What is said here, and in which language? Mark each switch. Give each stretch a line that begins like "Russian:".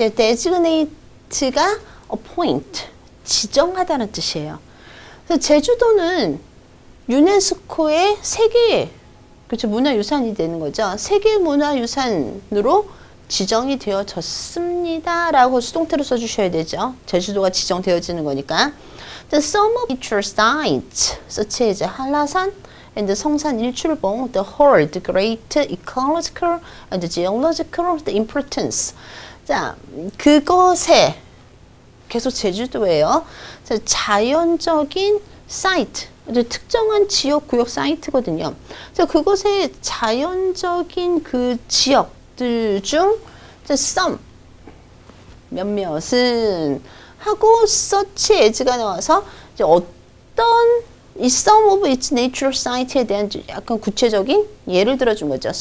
Korean: designate가 appoint. 지정하다는 뜻이에요. 제주도는 유네스코의 세계, 그렇죠, 문화유산이 되는 거죠. 세계문화유산으로 지정이 되어졌습니다. 라고 수동태로 써주셔야 되죠. 제주도가 지정되어지는 거니까.
English: The some of nature sites, such as 한라산 and 성산 일출봉, the whole, the great ecological and geological the importance.
Korean: 자, 그것에 계속 제주도예요. 자, 자연적인 사이트, 특정한 지역 구역 사이트거든요. 자, 그곳의 자연적인 그 지역들 중 자, some 몇몇은 하고 such as가 나와서 이제 어떤 이 some of its natural site 에 대한 약간 구체적인 예를 들어준 거죠.